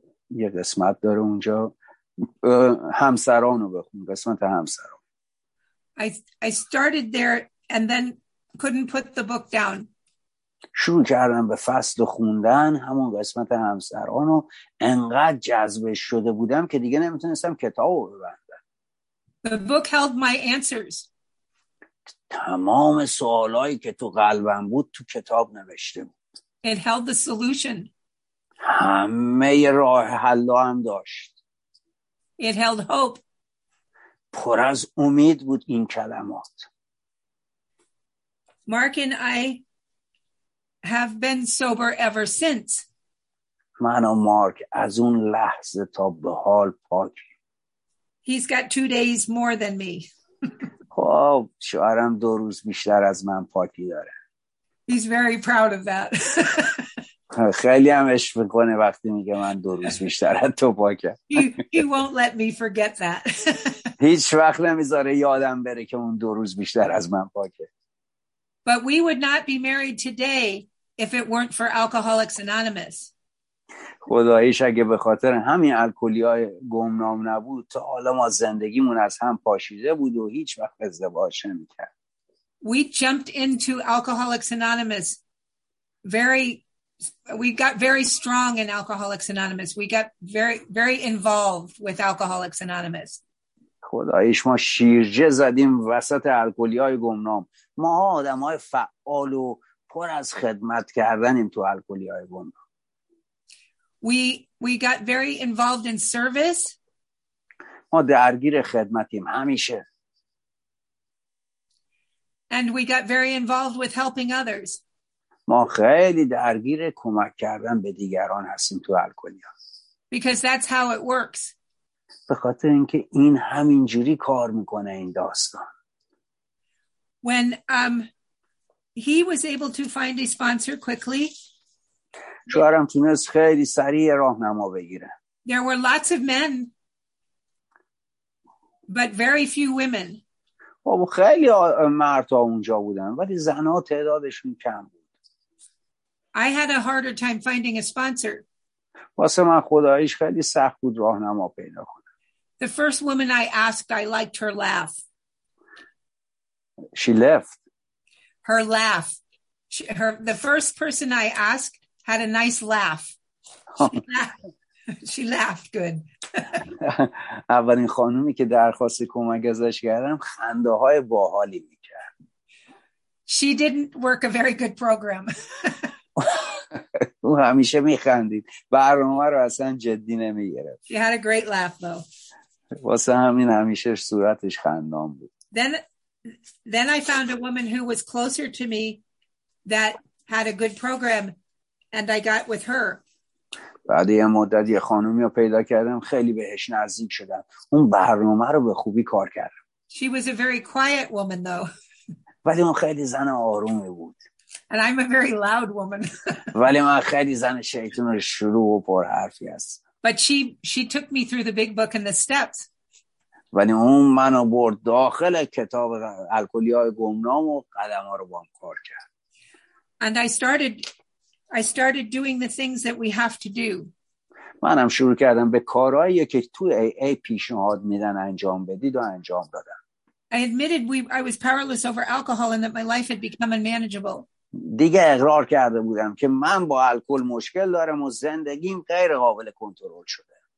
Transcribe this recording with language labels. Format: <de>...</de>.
<fa>یه قسمت داره اونجا همسران رو بخون، قسمت همسران.</fa> <en>I started there and then couldn't put the book down.</en> <fa>شروع کردم به فصل خوندن همون قسمت همسرانو، انقدر جذبش شده بودم که دیگه نمیتونستم کتابو ببندم.</fa> <en>The book held my answers.</en> <fa>تمام سوالایی که تو قلبم بود تو کتاب نوشته بود.</fa> <en>It held the solution.</en> <fa>همه راه حلا هم داشت.</fa> <en>It held hope.</en> <fa>پر از امید بود این کلمات.</fa> <en>Mark and I have been sober ever since.</en> <fa>من و مارک از اون لحظه تا به حال پاکی.</fa> <en>He's got 2 days more than me.</en> <fa>خب شوهرم 2 روز بیشتر از من پاکی داره.</fa> <en>He's very proud of that.</en> <fa>خیلی هم عشق میکنه وقتی میگه من 2 روز بیشتر از تو پاکم.</fa> <en>He won't let me forget that.</en> <fa>هیچ وقت نمیذاره یادم بره که اون 2 روز بیشتر از من پاکه.</fa> <en>But we would not be married today if it weren't for Alcoholics Anonymous.</en> <fa>خداییش اگه به خاطر همین الکلی‌های گمنام نبود تا حالا ما زندگیمون از هم پاشیده بود و هیچ وقت ازدواج نمی‌کرد.</fa> <en>we jumped into Alcoholics Anonymous we got very strong in Alcoholics Anonymous. We got very, very involved with Alcoholics Anonymous.</en> <fa>خدایش ما شیرجه زدیم وسط الکلی های گمنام. ما آدم های فعال و پر از خدمت کردنیم تو الکلی های گمنام.</fa> <en>We got very involved in service.</en> <fa>ما درگیر خدمتیم همیشه.</fa> <en>And we got very involved with helping others.</en> <fa>ما خیلی درگیر کمک کردن به دیگران هستیم تو الکلی ها.</fa> <en>Because that's how it works.</en> <fa>به خاطر اینکه این همینجوری کار میکنه این داستان.</fa> <en>When he was able to find a sponsor quickly.</en> <fa>شوهرم تونست خیلی سریع راهنما بگیره.</fa> <en>There were lots of men but very few women.</en> <fa>خب خیلی مردها اونجا بودن ولی زنها تعدادشون کم بود.</fa> <en>I had a harder time finding a sponsor.</en> <fa>واسه من خداییش خیلی سخت بود راهنما پیدا کنم.</fa> <en>The first woman I asked, I liked her laugh. She left. Her laugh. The first person I asked had a nice laugh. She laughed good.</en> <fa>اولین خانومی که درخواست کمک ازش کردم خنده‌های باحالی می‌کرد.</fa> <en>She didn't work a very good program.</en> <fa>او همیشه می‌خندید. برنامه رو اصلا جدی نمی‌گرفت.</fa> <en>She had a great laugh though.</en> <fa>واسه همین همیشه صورتش خندان بود.</fa> <en>Then I found a woman who was closer to me that had a good program and I got with her.</en> <fa>بعد یه مدت یه خانومی رو پیدا کردم خیلی بهش نزدیک شدم. اون برنامه رو به خوبی کار کرد.</fa> <en>She was a very quiet woman though.</en> <fa>ولی اون خیلی زن آرومی بود.</fa> <en>And I'm a very loud woman.</en> <fa>ولی من خیلی زن شیطان شروع و پرحرفی هستم.</fa> <en>But she took me through the big book and the steps.</en> <fa>ولی اون منو برد داخل کتاب الکلی‌های گمنام و قدم‌ها رو باهم کار کرد.</fa> <en>And I started doing the things that we have to do.</en> <fa>منم شروع کردم به کارهایی که تو AA پیشنهاد میدن انجام بدید و انجام دادم.</fa> <en>I admitted I was powerless over alcohol and that my life had become unmanageable.</en> <fa>دیگه اقرار کرده بودم که من با الکل مشکل دارم و زندگیم غیر قابل کنترل شده.</fa>